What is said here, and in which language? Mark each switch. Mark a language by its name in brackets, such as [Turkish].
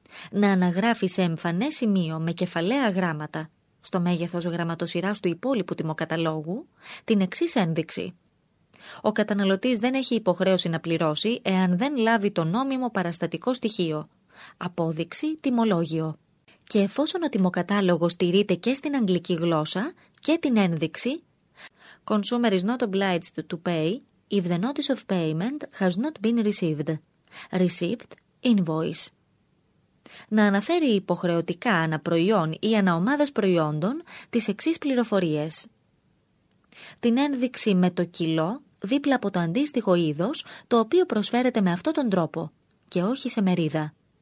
[Greek] Να αναγράφει σε εμφανές σημείο με κεφαλαία γράμματα, στο μέγεθος γραμματοσειράς του υπόλοιπου τιμοκαταλόγου, την εξής ένδειξη. Ο καταναλωτής δεν έχει υποχρέωση να πληρώσει εάν δεν λάβει το νόμιμο παραστατικό στοιχείο. Απόδειξη, τιμολόγιο. Και εφόσον ο τιμοκατάλογος τηρείται και στην αγγλική γλώσσα και την ένδειξη, [English] Consumer is not obliged to pay if the notice of payment has not been received. Received, invoice. [Greek] Να αναφέρει υποχρεωτικά ανά προϊόν ή ανά ομάδας προϊόντων τις εξής πληροφορίες. Την ένδειξη με το κιλό δίπλα από το αντίστοιχο είδος, το οποίο προσφέρεται με αυτόν τον τρόπο και όχι σε μερίδα.